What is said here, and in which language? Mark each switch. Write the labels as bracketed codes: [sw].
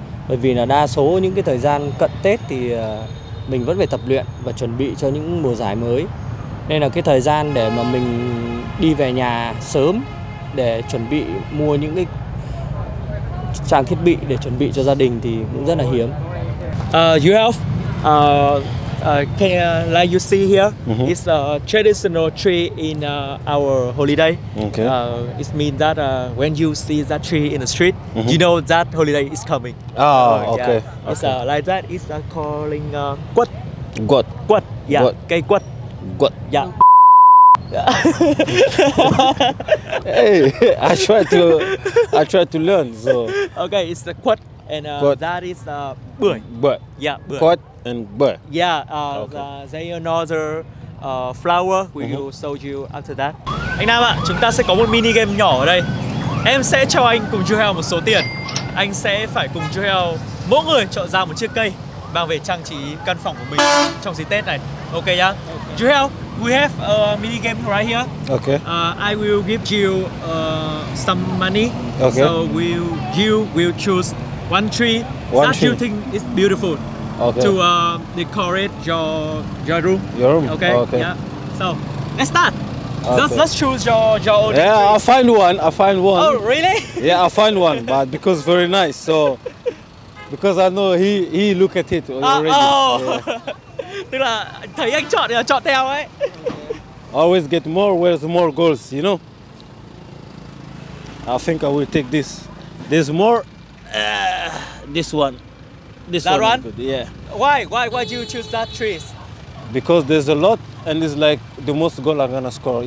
[vi] Bởi vì là đa số những cái thời gian cận Tết thì mình vẫn phải tập luyện và chuẩn bị cho những mùa giải mới. Nên là cái thời gian để mà mình đi về nhà sớm để chuẩn bị mua những cái trang thiết bị để chuẩn bị cho gia đình thì cũng rất là hiếm. [en] You have, can like you see here, it's a traditional tree in our holiday. Okay. It means that when you see that tree in the street, you know that holiday is coming. Okay. It's like that. It's calling quất. [vi] Quất. Quất. Yeah. Cây quất. Quất. [en] Yeah. Hey, I try to learn. So. Okay, it's the quất. And but that is bưởi. [vi] Bưởi. [en] Yeah, bưởi. Quất and bưởi. Yeah, okay. There's another flower we will show you after that. [vi] Anh Nam ạ, chúng ta sẽ có một mini game nhỏ ở đây. Em sẽ cho anh cùng Joel một số tiền. Anh sẽ phải cùng Joel mỗi người chọn ra một chiếc cây mang về trang trí căn phòng của mình trong dịp Tết này. Ok nhá. [en] Yeah? Okay. Joel, we have a mini game right here. Okay. I will give you some money. Okay. So you will choose one tree one that tree. You think is beautiful to decorate your room. Your room. Okay. Oh, okay. Yeah. So let's start. Okay. Let's choose your own. Yeah, I'll find one. Oh really? Yeah, I'll find one, but because very nice. So Because I know he look at it already. Oh. Yeah. [vi] Tức là thấy anh chọn thì là chọn theo ấy. [en] Always get more with more goals, you know. I think I will take this. There's more. This one. This that one. Good. Yeah. Why do you choose that trees? Because there's a lot and it's like the most goal I'm gonna score.